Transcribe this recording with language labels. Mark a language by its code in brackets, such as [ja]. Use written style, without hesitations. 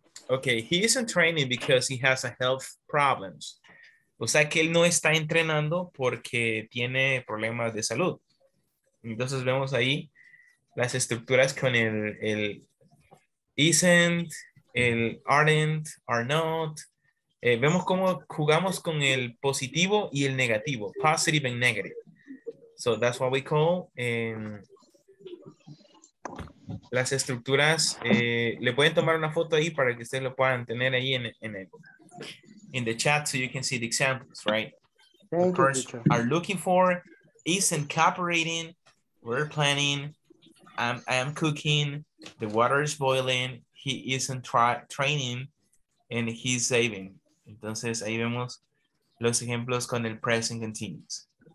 [en] Okay, he isn't training because he has a health problems. [es] O sea que él no está entrenando porque tiene problemas de salud. Entonces vemos ahí las estructuras con el isn't, el aren't, are not. Vemos cómo jugamos con el positivo y el negativo. [en] Positive and negative. So that's what we call [es] las estructuras. Le pueden tomar una foto ahí para que ustedes lo puedan tener ahí en [en] the chat so you can see the examples, right? Thank you, teacher. Are looking for, isn't cooperating, we're planning, I am cooking, the water is boiling, he isn't training, and he's saving. [es] Entonces, ahí vemos los ejemplos con el present continuous.